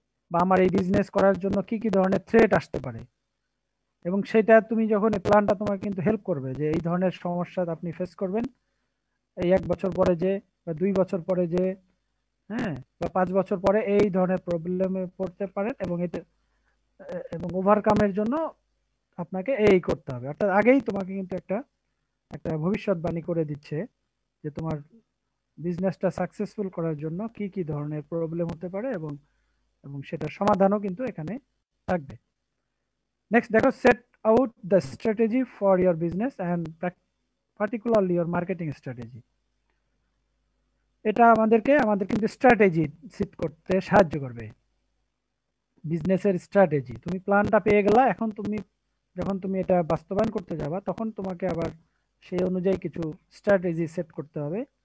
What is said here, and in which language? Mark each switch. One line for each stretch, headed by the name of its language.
Bangla: বা আমার এই বিজনেস করার জন্য কী কী ধরনের থ্রেট আসতে পারে, এবং সেটা তুমি যখন এই প্ল্যানটা তোমাকে কিন্তু হেল্প করবে যে এই ধরনের সমস্যা আপনি ফেস করবেন এই এক বছর পরে যে বা দুই বছর পরে যে, হ্যাঁ বা পাঁচ বছর পরে এই ধরনের প্রবলেমে পড়তে পারেন এবং এতে এবং ওভারকামের জন্য আপনাকে এই করতে হবে। অর্থাৎ আগেই তোমাকে কিন্তু একটা একটা ভবিষ্যৎবাণী করে দিচ্ছে যে তোমার বিজনেসটা সাকসেসফুল করার জন্য কী কী ধরনের প্রবলেম হতে পারে এবং এবং সেটার সমাধানও কিন্তু এখানে থাকবে।
English: Next, they have set out the strategy for your business and particularly your marketing strategy.
Bangla: এটা আমাদেরকে আমাদের কিন্তু স্ট্র্যাটেজি সেট করতে সাহায্য করবে, বিজনেসের স্ট্র্যাটেজি। তুমি প্ল্যানটা পেয়ে গেলে এখন তুমি যখন তুমি এটা বাস্তবায়ন করতে যাবা তখন তোমাকে আবার সেই অনুযায়ী কিছু স্ট্র্যাটেজি সেট করতে হবে।